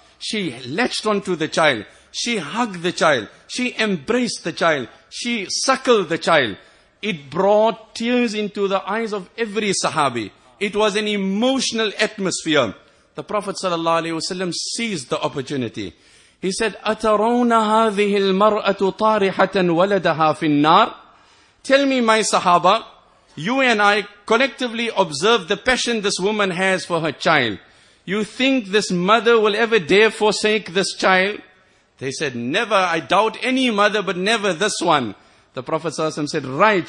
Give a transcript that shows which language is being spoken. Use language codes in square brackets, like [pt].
[en] She latched onto the child. She hugged the child. She embraced the child. She suckled the child. It brought tears into the eyes of every sahabi. It was an emotional atmosphere. The Prophet ﷺ seized the opportunity. He said, [ar] أَتَرَوْنَ هَذِهِ الْمَرْأَةُ طَارِحَةً وَلَدَهَا فِي النَّارِ. [en] Tell me, my sahaba, you and I collectively observe the passion this woman has for her child. You think this mother will ever dare forsake this child? They said, never. I doubt any mother, but never this one. The Prophet ﷺ said, right.